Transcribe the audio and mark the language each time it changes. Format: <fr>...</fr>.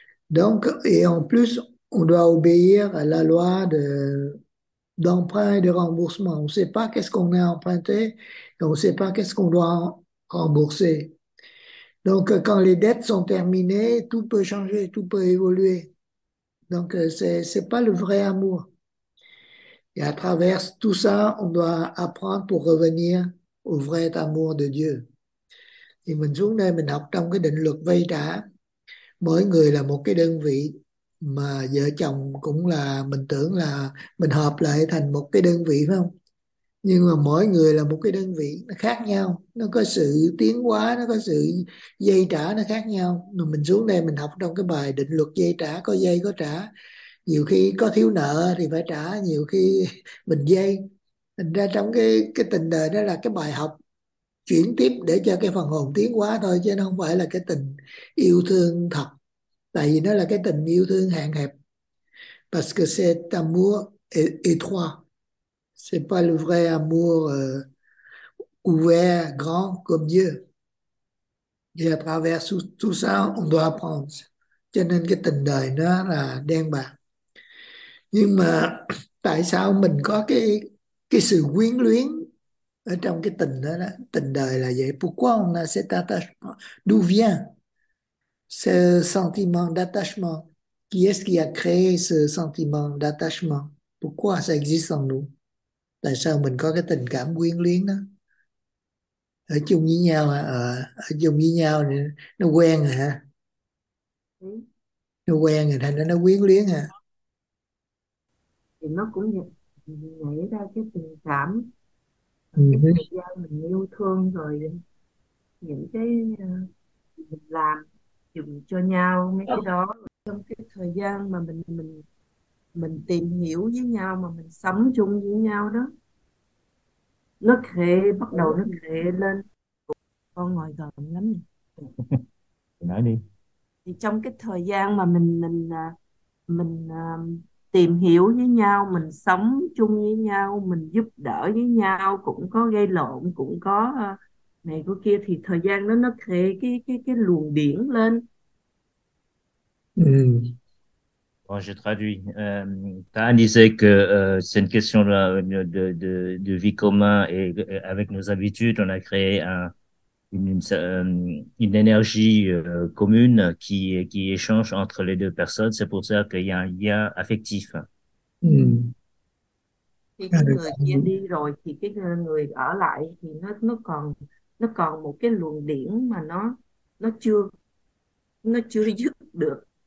<fr>Donc, et en plus, on doit obéir à la loi d'emprunt et de remboursement. On ne sait pas qu'est-ce qu'on a emprunté et on ne sait pas qu'est-ce qu'on doit rembourser. Donc, quand les dettes sont terminées, tout peut changer, tout peut évoluer. Donc, c'est pas le vrai amour. Et à travers tout ça, on doit apprendre pour revenir au vrai amour de Dieu.</fr> <vi>Thì mình xuống đây mình học trong cái định luật vay trả. Mỗi người là một cái đơn vị, mà vợ chồng cũng là, mình tưởng là mình hợp lại thành một cái đơn vị phải không? Nhưng mà mỗi người là một cái đơn vị, nó khác nhau, nó có sự tiến hóa, nó có sự dây trả, nó khác nhau. Mà mình xuống đây mình học trong cái bài định luật dây trả, có dây có trả. Nhiều khi có thiếu nợ thì phải trả, nhiều khi mình dây. Thành ra trong cái tình đời đó là cái bài học chuyển tiếp để cho cái phần hồn tiến hóa thôi, chứ nó không phải là cái tình yêu thương thật. Tại vì nó là cái tình yêu thương hạn hẹp.</vi> <fr>Parce que c'est amour étroit. C'est pas le vrai amour ouvert, grand comme Dieu. Et à travers tout ça, on doit apprendre.</fr> <vi>Cho nên cái tình đời nó là đen bạc. Nhưng mà tại sao mình có cái sự quyến luyến ở trong cái tình đó, đó? Tình đời là vậy.</vi> <fr>Pourquoi on a cet attachement? D'où vient ce sentiment d'attachement? Qui est-ce qui a créé ce sentiment d'attachement? Pourquoi ça existe en nous?</fr> <vi>Tại sao mình có cái tình cảm quyến luyến đó? Ở chung với nhau hả? Ở chung với nhau thì nó quen rồi hả? Nó quen rồi thành ra nó quyến luyến hả? Thì nó cũng nhảy ra cái tình cảm, cái thời Ừ. gian mình yêu thương rồi những cái mình làm dùng cho nhau mấy cái đó, trong cái thời gian mà mình tìm hiểu với nhau, mà mình sống chung với nhau đó, nó khệ, bắt đầu nó khệ lên con ngoài gần lắm nhỉ. Nói đi. Thì trong cái thời gian mà mình tìm hiểu với nhau, mình sống chung với nhau, mình giúp đỡ với nhau, cũng có gây lộn, cũng có này có kia, thì thời gian đó nó khệ cái luồng điển lên.</vi> <fr>Bon, je traduis. Tu as indiqué que c'est une question de vie commune et avec nos habitudes, on a créé une énergie commune qui échange entre les deux personnes. C'est pour ça qu'il y a un lien affectif.</fr> <vi>Thì cái người kia đi rồi thì cái người ở lại thì nó còn một cái luồng điển mà nó chưa dứt được.</vi>